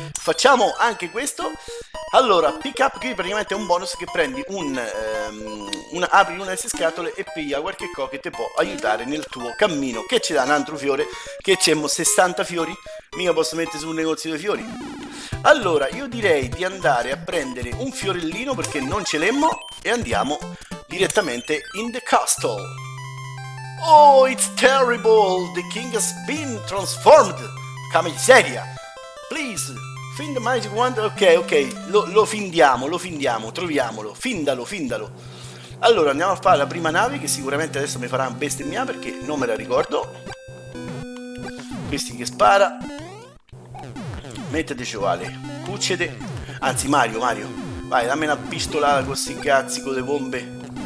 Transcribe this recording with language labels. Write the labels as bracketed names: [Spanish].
[Italian] Facciamo anche questo. Allora, pick up qui praticamente è un bonus che prendi apri una di queste scatole e piglia qualche cosa che ti può aiutare nel tuo cammino. Che ci dà un altro fiore? Che c'è 60 fiori? Mica posso mettere su un negozio di fiori. Allora, io direi di andare a prendere un fiorellino perché non ce l'emmo e andiamo direttamente [English] in the castle. Oh, it's terrible! The king has been transformed! [Italian] Come miseria! [English] Please, find the magic wand. [Italian] Ok, lo findiamo, troviamolo, findalo. Allora, andiamo a fare la prima nave, che sicuramente adesso mi farà una bestemmia perché non me la ricordo. Questi che spara. Mettete ciovale, puccete. Anzi, Mario, vai, dammi una pistolata con questi cazzi, con le bombe.